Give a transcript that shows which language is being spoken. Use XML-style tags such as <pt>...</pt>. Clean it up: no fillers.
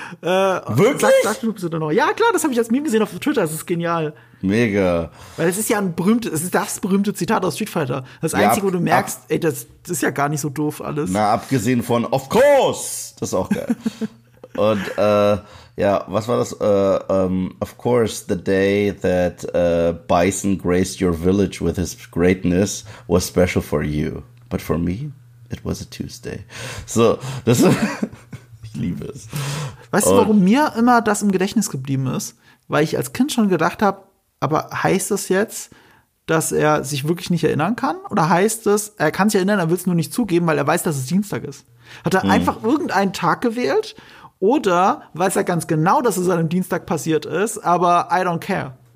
<de>Wirklich? Ja klar, das habe ich als Meme gesehen auf Twitter, das ist genial. Mega. Weil es ist ja das berühmte Zitat aus Street Fighter. Das Einzige, wo du merkst, das ist ja gar nicht so doof alles. Na, abgesehen von Of Course, das ist auch geil. Und was war das?</de> <en>Of course, the day that Bison graced your village with his greatness was special for you. But for me, it was a Tuesday.</en> <de>So, das ich liebe es. Weißt du, warum mir immer das im Gedächtnis geblieben ist? Weil ich als Kind schon gedacht habe, aber heißt das jetzt, dass er sich wirklich nicht erinnern kann? Oder heißt es, er kann sich erinnern, er will es nur nicht zugeben, weil er weiß, dass es Dienstag ist? Hat er einfach irgendeinen Tag gewählt? Oder weiß er ganz genau, dass es an einem Dienstag passiert ist, aber</de> <en>I don't care.</en>